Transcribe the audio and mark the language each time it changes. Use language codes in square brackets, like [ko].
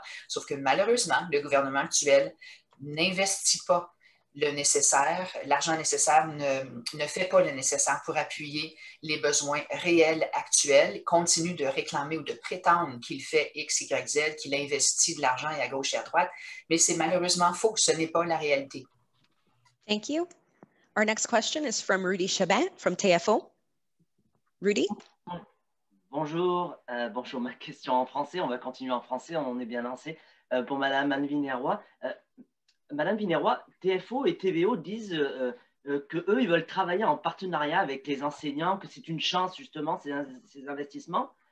[fr] Sauf que malheureusement, le gouvernement actuel n'investit pas le nécessaire, l'argent nécessaire ne fait pas le nécessaire pour appuyer les besoins réels actuels, continue de réclamer ou de prétendre qu'il fait X, Y, Z, qu'il investit de l'argent à gauche et à droite, mais c'est malheureusement faux, ce n'est pas la réalité. [en] Thank you. Our next question is from Rudy Chabin from TFO. Rudy? [fr] Bonjour, bonjour, ma question en français, on va continuer en français, on est bien lancé. Pour Madame Anne-Vinerois, Madame Vinerois, TFO et TVO disent qu'eux, ils veulent travailler en partenariat avec les enseignants, que c'est une chance, justement, ces investissements.